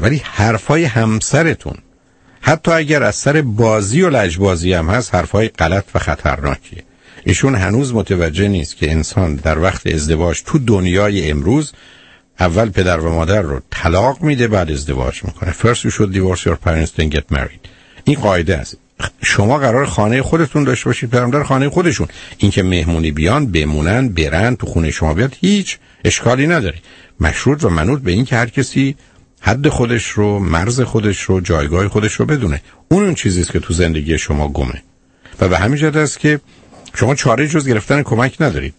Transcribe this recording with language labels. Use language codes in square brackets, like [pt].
[fa] ولی حرفای همسرتون حتی اگر از سر بازی و لجبازی هم هست، حرفای غلط و خطرناکیه. ایشون هنوز متوجه نیست که انسان در وقت ازدواج تو دنیای امروز اول پدر و مادر رو طلاق میده بعد ازدواج میکنه. [en] First you should divorce your parents then get married. [fa] این قاعده است. شما قرار خانه خودتون داشته باشید، پدر و مادر خانه خودشون. اینکه مهمونی بیان بمونن برن تو خونه شما بیاد هیچ اشکالی نداره، مشروط و منوط به این که هر کسی حد خودش رو، مرز خودش رو، جایگاه خودش رو بدونه. اون اون چیزیست که تو زندگی شما گمه و به همین جهت است که شما چاره جز گرفتن کمک ندارید.